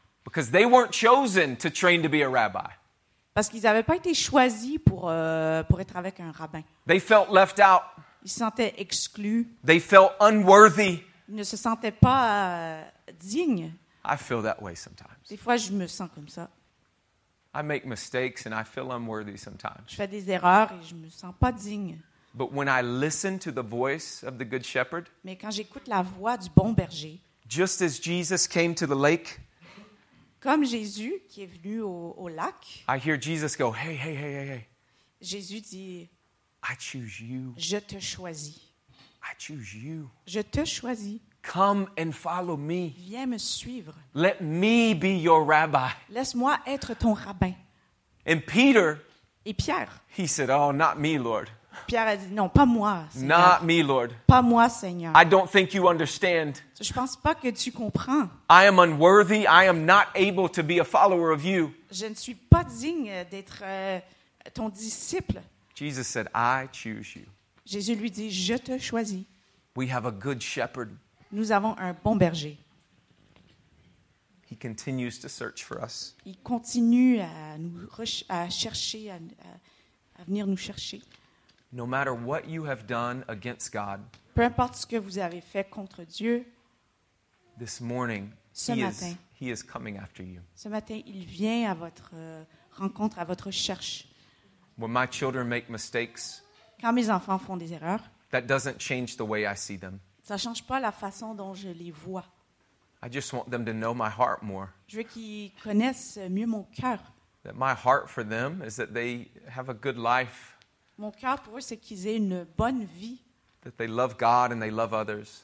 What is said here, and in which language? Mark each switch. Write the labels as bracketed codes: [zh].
[en] Because they weren't chosen to train to be a rabbi. [fr] Parce qu'ils n'avaient pas été choisis pour être avec un rabbin. [en] They felt left out. [fr] Ils se sentaient exclus. [en] They felt unworthy. [fr] Ils ne se sentaient pas dignes. [en] I feel that way sometimes. [fr] Des fois, je me sens comme ça. [en] I make mistakes and I feel unworthy sometimes. [fr] Je fais des erreurs et je me sens pas digne. [en] But when I listen to the voice of the good shepherd, [fr] mais quand j'écoute la voix du bon berger, [en] just as Jesus came to the lake, [fr] comme Jésus qui est venu au lac, [en] I hear Jesus go, hey, hey, hey, hey, hey. [fr] Jésus dit, [en] I choose you. [fr] Je te choisis. [en] I choose you. [fr] Je te choisis. [en] Come and follow me. [fr] Viens me suivre. [en] Let me be your rabbi. [fr] Laisse-moi être ton rabbin. [en] And Peter. [fr] Et Pierre. [en] He said, oh, not me, Lord. [fr] Pierre a dit, non, pas moi, Seigneur. [en] Not me, Lord. [fr] Pas moi, Seigneur. [en] I don't think you understand. [fr] Je pense pas que tu comprends. [en] I am unworthy. I am not able to be a follower of you. [fr] Je ne suis pas digne d'être ton disciple. [en] Jesus said, I choose you. [fr] Jésus lui dit, je te choisis. [en] We have a good shepherd. [fr] Nous avons un bon berger. [en] He continues to search for us. [fr] Il continue à venir nous chercher. [en] No matter what you have done against God. [fr] Peu importe ce que vous avez fait contre Dieu. [en] This morning, he is coming after you. [fr] Ce matin, il vient à votre rencontre, à votre cherche. [en] When my children make mistakes. [fr] Quand mes enfants font des erreurs. [en] That doesn't change the way I see them. [fr] Ça change pas la façon dont je les vois. [en] I just want them to know my heart more. [fr] Je veux qu'ils connaissent mieux mon cœur. [en] That my heart for them is that they have a good life. [fr] Mon cœur pour eux, c'est qu'ils aient une bonne vie. [en] That they love God and they love others.